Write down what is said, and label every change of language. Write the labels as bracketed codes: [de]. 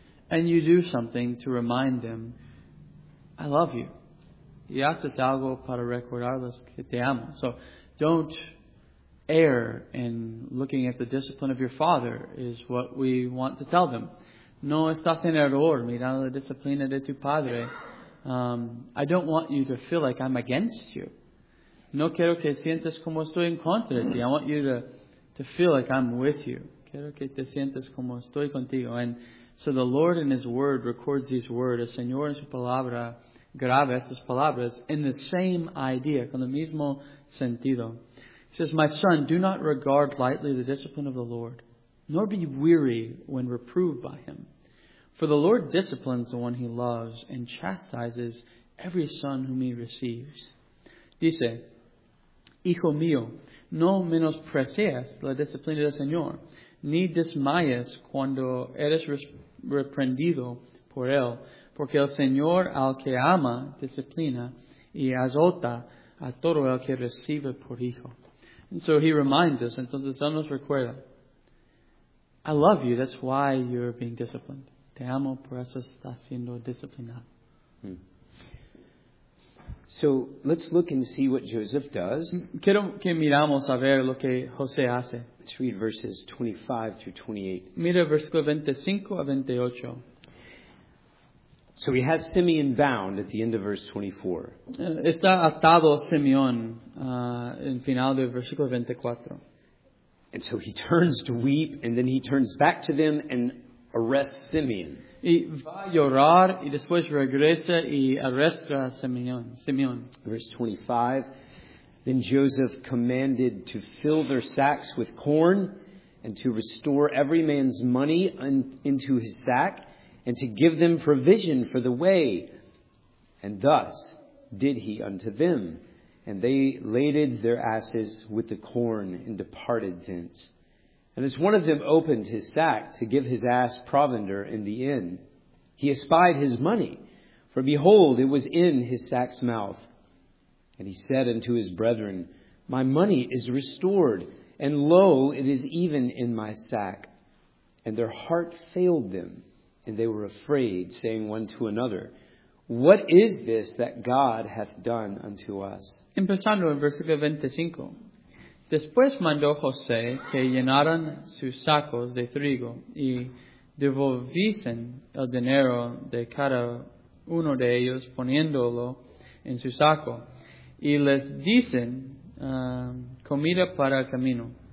[en] And you do something to remind them, I love you. [es] Y haces algo para recordarles que te amo. [en] So don't err in looking at the discipline of your father is what we want to tell them. [es] No estás en error mirando la disciplina de tu padre. [en] I don't want you to feel like I'm against you. [es] No quiero que sientas como estoy en contra de ti. [en] I want you to feel like I'm with you. [es] Quiero que te sientas como estoy contigo. [en] And so the Lord in His Word records these words. [es] El Señor en su palabra graba estas palabras [en] in the same idea, [es] con el mismo sentido. [en] He says, my son, do not regard lightly the discipline of the Lord, nor be weary when reproved by Him. For the Lord disciplines the one He loves and chastises every son whom He receives. [es] Dice, hijo mío, no menosprecies la disciplina del Señor, ni desmayes cuando eres reprendido por él, porque el Señor al que ama disciplina y azota a todo el que recibe por hijo. [en] And so he reminds us, [es] entonces él nos recuerda, [en] I love you, that's why you're being disciplined. [es] Te amo, por eso estás siendo disciplinado. [en] So let's look and see what Joseph does. [es] Quiero que miramos a ver lo que José hace. [en] Let's read verses 25 through 28. [es] Mira versículo 25 a 28. [en] So he has Simeon bound at the end of verse 24. [es] Está atado Simeón en final del versículo 24. [en] And so he turns to weep, and then he turns back to them and arrests Simeon. [es] Y va a llorar y después regresa y arresta a Simeón. Simeón. [en] Verse 25. Then Joseph commanded to fill their sacks with corn and to restore every man's money into his sack and to give them provision for the way. And thus did he unto them. And they laded their asses with the corn and departed thence. And as one of them opened his sack to give his ass provender in the inn, he espied his money, for behold, it was in his sack's mouth. And he said unto his brethren, my money is restored, and lo, it is even in my sack. And their heart failed them, and they were afraid, saying one to another, what is this that God hath done unto us? [es] Empezando en versículo 25. Después mandó José que llenaran sus sacos de trigo y devolviesen el dinero de cada uno de ellos poniéndolo en su saco. Y les dicen comida para el camino.